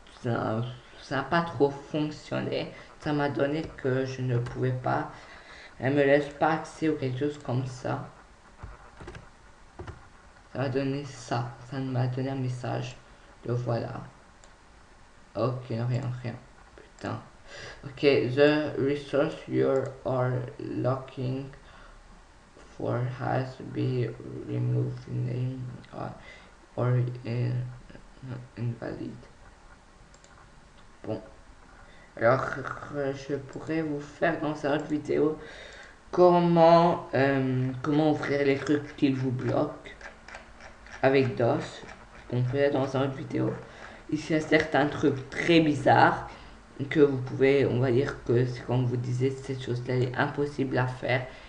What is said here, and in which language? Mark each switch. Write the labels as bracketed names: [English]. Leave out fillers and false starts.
[French] Ça n'a pas trop fonctionné. Ça m'a donné que je ne pouvais pas. Elle me laisse pas accès ou quelque chose comme ça. Ça m'a donné ça. Ça m'a donné un message. Le voilà. Ok, rien, rien. Putain. [English] Okay, the resource you are looking for has been removed, name or invalid. [French] Bon. Alors, je pourrais vous faire dans cette vidéo comment ouvrir les trucs qui vous bloquent avec DOS. On peut être dans une autre vidéo. Ici, il y a certains trucs très bizarres que vous pouvez, on va dire que c'est comme vous disiez, cette chose-là est impossible à faire.